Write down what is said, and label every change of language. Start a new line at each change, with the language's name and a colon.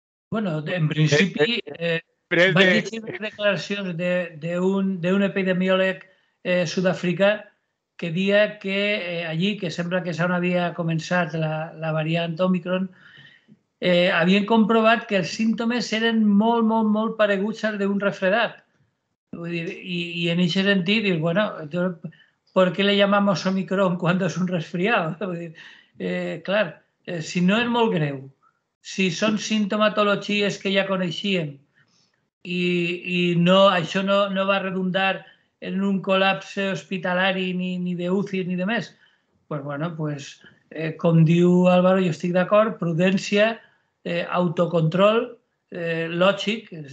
Catalan: Bueno, en principi, vaig llegir les declaracions d'un epidemiòleg sud-africà que deia que allí, que sembla que ja no havia començat la variant Omicron, havien comprovat que els símptomes eren molt, molt, molt pareguts als d'un refredat. Vull dir, i en aquest sentit, dius, bueno,
Spanish: ¿por qué le llamamos Omicron cuando es un resfriado?
Catalan: Clar, si no és molt greu, si són sintomatologies que ja coneixíem i no, això no va redundar en un col·lapse hospitalari ni d'UCI ni de més, pues bueno, pues, com diu Álvaro, jo estic d'acord, prudència, autocontrol, lògic,